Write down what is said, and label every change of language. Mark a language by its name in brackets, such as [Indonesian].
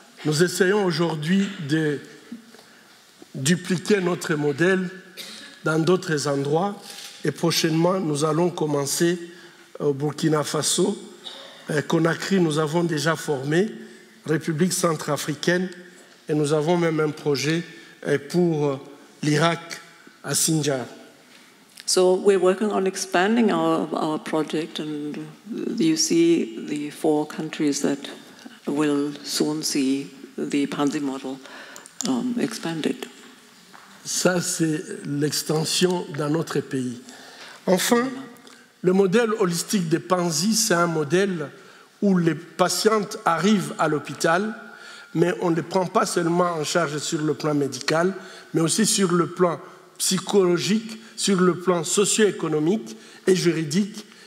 [French] Nous essayons aujourd'hui de dupliquer notre modèle dans d'autres endroits. Et prochainement, nous allons commencer au Burkina Faso, Conakry, nous avons déjà formé, République centrafricaine, et nous avons même un projet pour l'Irak à Sinjar. [English] So we're working on expanding our project, and you see the four countries that will soon see the Panzi model expanded. [French] Ça, c'est l'extension dans notre pays. Enfin, le modèle holistique de Panzi, c'est un modèle où les patientes arrivent à l'hôpital, mais on ne les prend pas seulement en charge sur le plan médical, mais aussi sur le plan psychologique, sur le plan socio-économique et juridique.